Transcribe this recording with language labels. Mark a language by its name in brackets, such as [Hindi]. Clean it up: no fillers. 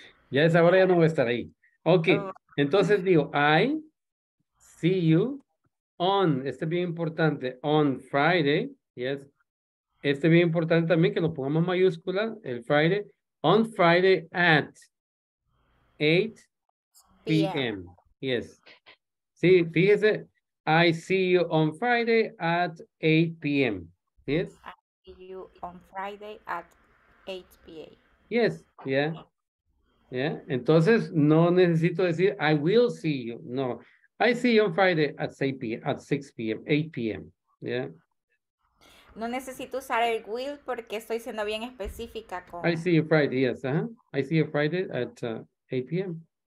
[Spanish] Ya esa hora ya no voy a estar ahí. Ok, entonces digo, [English] I see you on, [Spanish] este es bien importante, [English] on Friday, yes. [Spanish] Este es bien importante también que lo pongamos mayúscula, el Friday, [English] on Friday at 8 p.m. Yes. [Spanish] Sí, fíjese, [English] I see you on Friday at 8 p.m. Yes. I see you on Friday at 8 p.m. Yes, yeah, yeah. [Spanish] Entonces, no necesito decir, [English] I will see you. No, I see you on Friday at 6 p.m., at 6 p.m., 8 p.m., yeah. [Spanish] No necesito usar el will porque estoy siendo bien específica con... [English] I see you Friday, yes, uh-huh. I see you Friday at 8 p.m.